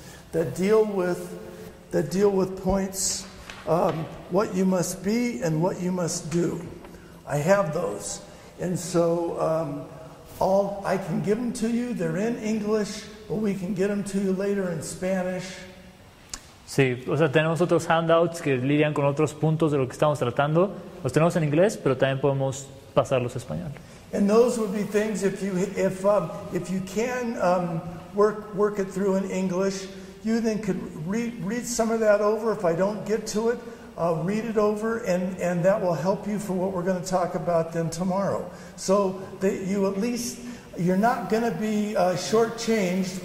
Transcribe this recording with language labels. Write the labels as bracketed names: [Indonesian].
[English] That deal with points, what you must be and what you must do. I have those, and so all I can give them to you. They're in English, but we can get them to you later in Spanish. [Spanish] Sí, o sea, tenemos otros handouts que lidian con otros puntos de lo que estamos tratando. Los tenemos en inglés, pero también podemos pasarlos a español. [English] And those would be things if you can work it through in English, you then could read some of that over. If I don't get to it, read it over, and that will help you for what we're going to talk about then tomorrow. So that you at least, you're not going to be shortchanged.